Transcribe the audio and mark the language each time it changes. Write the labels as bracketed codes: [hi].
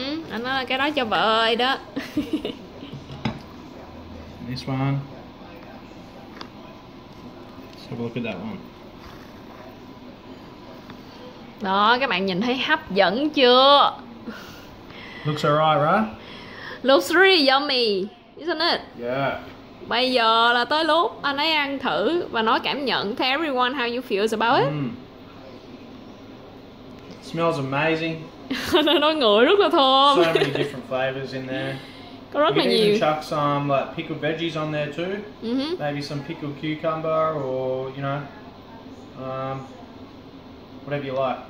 [vi] Anh nói là cái đó cho vợ ơi đó. [en] This one. Have a look at that one. [vi] Đó, các bạn nhìn thấy hấp dẫn chưa? [en] Looks alright, right? Looks really yummy, isn't it? Yeah. [vi] Bây giờ là tới lúc anh ấy ăn thử và nói cảm nhận. [en] Tell everyone how you feel about it. Smells amazing. [vi] Nó ngửi rất là thơm. [en] So many different flavors in there. [vi] Có rất là nhiều. [en] You can chuck some like pickled veggies on there too. Mm-hmm. Maybe some pickled cucumber or you know, whatever you like.